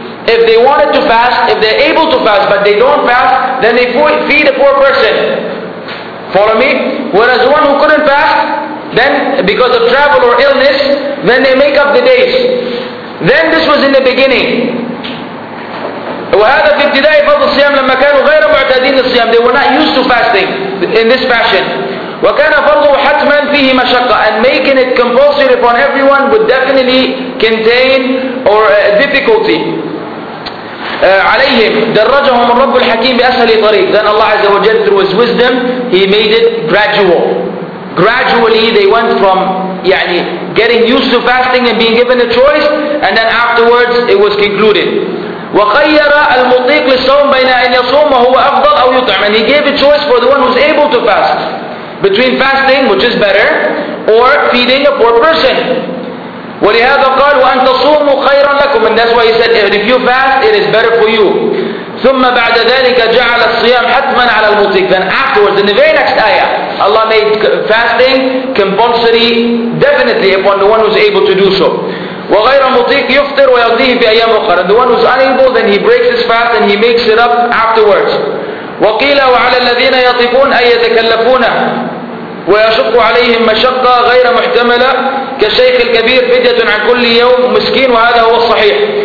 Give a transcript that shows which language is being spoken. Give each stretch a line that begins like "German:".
English: If they wanted to fast, if they're able to fast, but they don't fast, then they feed a poor person. Follow me? Whereas the one who couldn't fast, then because of travel or illness, then they make up the days. Then this was in the beginning.
Arabic: وهذا في ابتداء فرض الصيام لما كانوا غير معتادين للصيام.
English: They were not used to fasting in this fashion.
Arabic: وكان فرضه حتما فيه مشقة.
English: And making it compulsory upon everyone would definitely contain or difficulty عليهم.
Arabic: درجهم الرب الحكيم بأسهل طريق.
English: Then Allah عز وجل through His wisdom, He made it gradual. Gradually they went from getting used to fasting and being given a choice, and then afterwards it was concluded.
Arabic: وخير المطيق للصوم بين أن يصوم وهو أفضل أو يطعم.
English: And he gave a choice for the one who's able to fast, between fasting, which is better, or feeding a poor person.
Arabic: ولهذا قال وأن تصوموا خيرا لكم.
English: And that's why he said, if you fast, it is better for you.
Arabic: ثم بعد ذلك جعل الصيام حتما على المطيق.
English: Then afterwards, in the very next ayah, Allah made fasting compulsory, definitely upon the one who's able to do so.
Arabic: وغير مطيق يفطر ويقضيه في أيام أخرى.
English: The one who's unable, then he breaks his fast and he makes it up afterwards.
Arabic: وقيل وعلى الذين يطيقون أي يتكلفون ويشق عليهم مشقة غير محتملة كشيخ الكبير فدية عن كل يوم مسكين وهذا هو الصحيح.